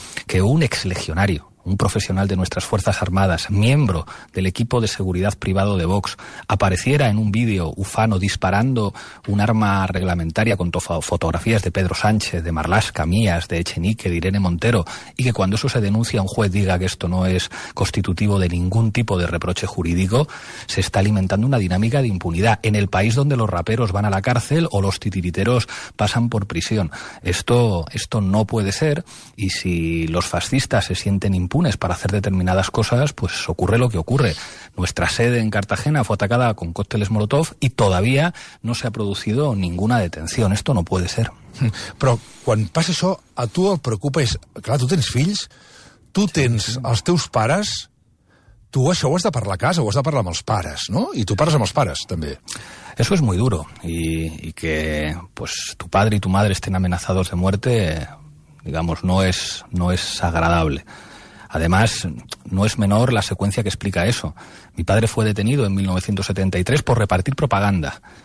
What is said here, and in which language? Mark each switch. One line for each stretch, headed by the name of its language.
Spanish: Que un exlegionario, un profesional de nuestras Fuerzas Armadas, miembro del equipo de seguridad privado de Vox, apareciera en un vídeo ufano disparando un arma reglamentaria con fotografías de Pedro Sánchez, de Marlaska, mías, de Echenique, de Irene Montero, y que cuando eso se denuncia un juez diga que esto no es constitutivo de ningún tipo de reproche jurídico, se está alimentando una dinámica de impunidad en el país donde los raperos van a la cárcel o los titiriteros pasan por prisión. Esto no puede ser, y si los fascistas se sienten impunes para hacer determinadas cosas, pues ocurre lo que ocurre. Nuestra sede en Cartagena fue atacada con cócteles Molotov y todavía no se ha producido ninguna detención. Esto no puede ser.
Catalan: Però quan passa això, a tu et preocupes, clar, tu tens fills, tu tens els teus pares, tu això ho has de parlar a casa, ho has de parlar amb els pares, no? I tu parles amb els pares, també.
Spanish: Eso es muy duro, y que pues tu padre y tu madre estén amenazados de muerte, digamos, no es agradable. Además, no es menor la secuencia que explica eso. Mi padre fue detenido en 1973 por repartir propaganda.